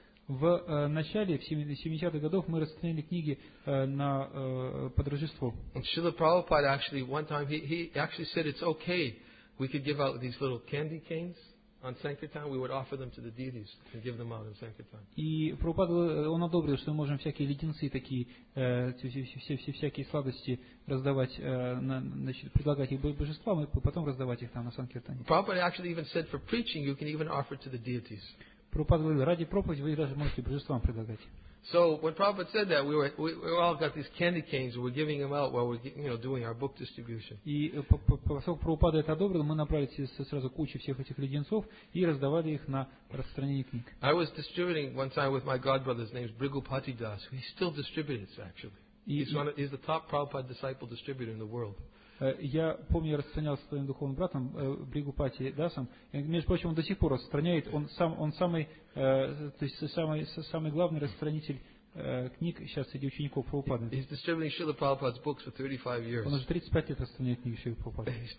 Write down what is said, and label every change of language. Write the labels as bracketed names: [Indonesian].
[Russian] В начале, в 70-х годах, мы распространяли книги под Рождество. [English] And Srila Prabhupada actually, one time, he actually said it's okay, we could give out these little candy canes on Sankirtan, we would offer them to the deities and give them out in Sankirtan. [Russian] И Прабхупада, он одобрил, что мы можем всякие леденцы такие, всякие сладости раздавать, предлагать их божествам и потом раздавать их там на Санкиртане. [English] Прабхупада actually even said for preaching you can even offer to the deities. [Russian] Прабхупада говорил, ради проповеди вы даже можете божествам предлагать. [English] So when Prabhupada said that, we all got these candy canes. We were giving them out while we were, you know, doing our book distribution. [Russian] И поскольку Прабхупада это одобрил, мы направили сразу кучу всех этих леденцов и раздавали их на распространение книг. [English] I was distributing one time with my godbrother's name is Bhrigupati Das. He still distributes actually. He's the top Prabhupada disciple distributor in the world. [Russian] Я помню, я распространялся с своим духовным братом Бригупати Дасом. Между прочим, он до сих пор распространяет. Он самый главный распространитель книг сейчас среди учеников Прабхупады. [English] He's distributing Srila Prabhupada's books for 35 years. [Russian] Он уже 35 лет распространяет книги Шрилы Прабхупады.